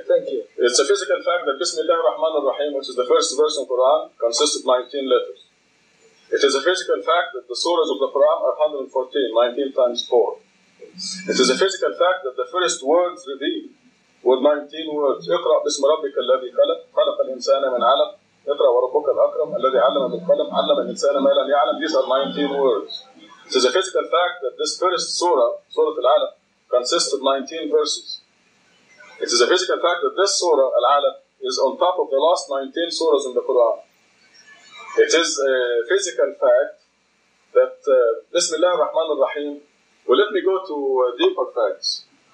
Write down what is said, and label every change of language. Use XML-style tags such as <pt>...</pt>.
<en>Thank you. It's a physical fact that Bismillah ar-Rahman ar-Rahim, which is the first verse in the Quran, consists of 19 letters. It is a physical fact that the surahs of the Quran are 114, 19 times 4. It is a physical fact that the first words revealed were 19 words.</en> <ar>اقرأ بسم ربك الذي خلق خلق الإنسان من علم اقرأ وربك الأكرم الذي علم بالقلم علم الإنسان ما لم يعلم.</ar> <en>These are 19 words. It is a physical fact that this first surah, Surah Al-Alaq, consists of 19 verses. It is a physical fact that this surah, Al-Alaq, is on top of the last 19 surahs in the Quran. It is a physical fact that Bismillah ar-Rahman ar-Rahim, well, let me go to deeper facts.</en>